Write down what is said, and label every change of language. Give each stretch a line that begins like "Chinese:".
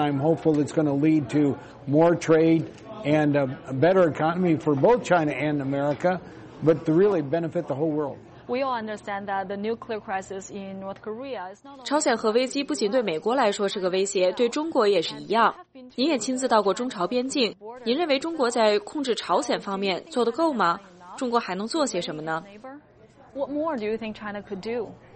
English: I'm hopeful it's going to lead to more trade and a better economy for both China and America, but to really benefit the whole world. We all understand that the nuclear crisis in North Korea is not.
Chinese: 朝鲜核危机不仅对美国来说是个威胁，对中国也是一样。您也亲自到过中朝边境，您认为中国在控制朝鲜方面做得够吗？中国还能做些什么呢？
English: What more do you think China could do?